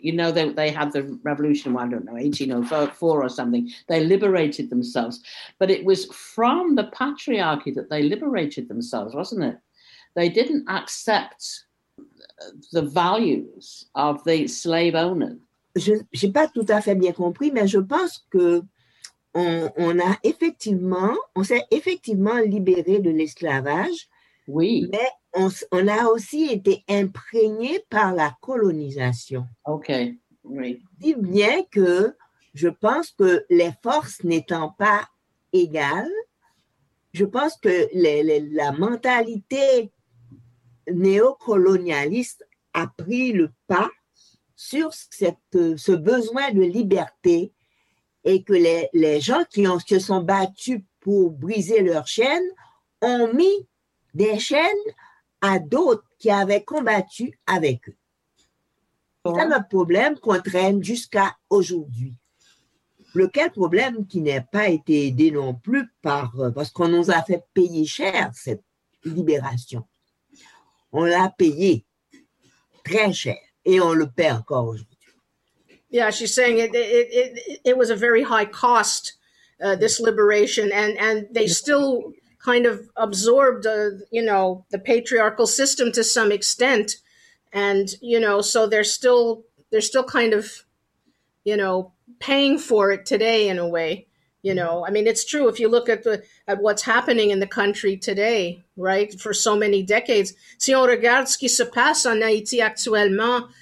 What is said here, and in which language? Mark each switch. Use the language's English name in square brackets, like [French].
[English] You know, they had the revolution, well, I don't know, 1804 or something. They liberated themselves. But it was from the patriarchy that they liberated themselves, wasn't it? They didn't accept the values of the slave owner. [French] J'ai pas tout à fait bien compris, mais je pense que on s'est effectivement libéré de l'esclavage, oui. Mais on a aussi été imprégné par la colonisation. OK, oui. Si bien que je pense que les forces n'étant pas égales, je pense que la mentalité néocolonialiste a pris le pas sur ce besoin de liberté. Et que les gens qui se sont battus pour briser leurs chaînes ont mis des chaînes à d'autres qui avaient combattu avec eux. Bon. C'est un problème qu'on traîne jusqu'à aujourd'hui. Lequel problème qui n'a pas été aidé non plus parce qu'on nous a fait payer cher cette libération. On l'a payé très cher et on le paie encore aujourd'hui. [English] Yeah, she's saying it was a very high cost, this liberation, and they still kind of absorbed, you know, the patriarchal system to some extent, and you know, so they're still kind of, you know, paying for it today in a way, you know. I mean, it's true if you look at what's happening in the country today, right? For so many decades, [French] si on regarde ce qui se passe en Haïti actuellement.